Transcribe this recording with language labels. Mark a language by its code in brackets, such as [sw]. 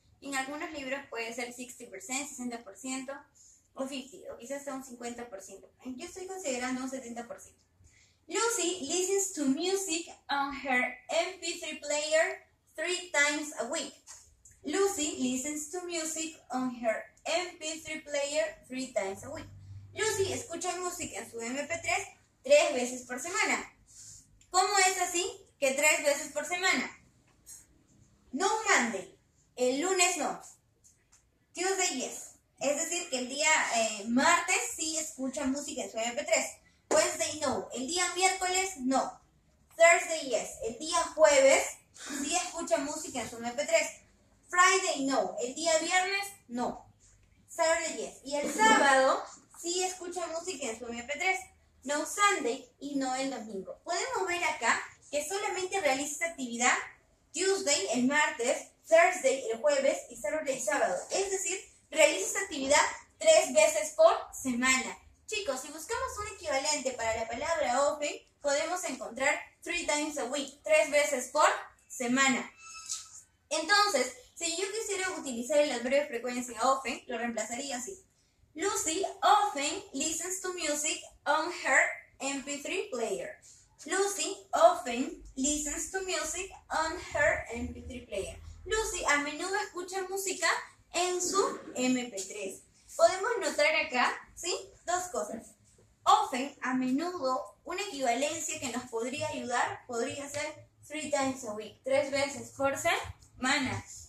[es] En algunos libros puede ser 60%, 60%, o 50%, o quizás hasta un 50%. Yo estoy considerando un 70%. [en] Lucy listens to music on her MP3 player 3 times a week. Lucy listens to music on her MP3 player 3 times a week. [es] Lucy escucha música en su MP3 3 veces por semana. ¿Cómo es así que 3 veces por semana? [en] No Monday. [es] El lunes no. [en] Tuesday yes. [es] Es decir, que el día martes sí escucha música en su MP3. [en] Wednesday no. [es] El día miércoles no. [en] Thursday yes. [es] El día jueves sí escucha música en su MP3. [en] Friday no. [es] El día viernes no. [en] Saturday yes. [es] Y el sábado sí escucha música en su MP3. [en] No Sunday [es] y no el domingo. Podemos ver acá que solamente realiza esta actividad Tuesday, el martes, Thursday, el jueves y Saturday y sábado. Es decir, realiza esta actividad 3 veces por semana. Chicos, si buscamos un equivalente para la palabra open, podemos encontrar [en] 3 times a week, [es] 3 veces por semana. Entonces, si yo quisiera utilizar el adverbio de frecuencia often, lo reemplazaría así. [en] Lucy often listens to music on her MP3 player. Lucy often listens to music on her MP3 player. [es] Lucy a menudo escucha música en su MP3. Podemos notar acá, ¿sí? Dos cosas. Often, a menudo, una equivalencia que nos podría ayudar podría ser [en] 3 times a week, [es] 3 veces por semana.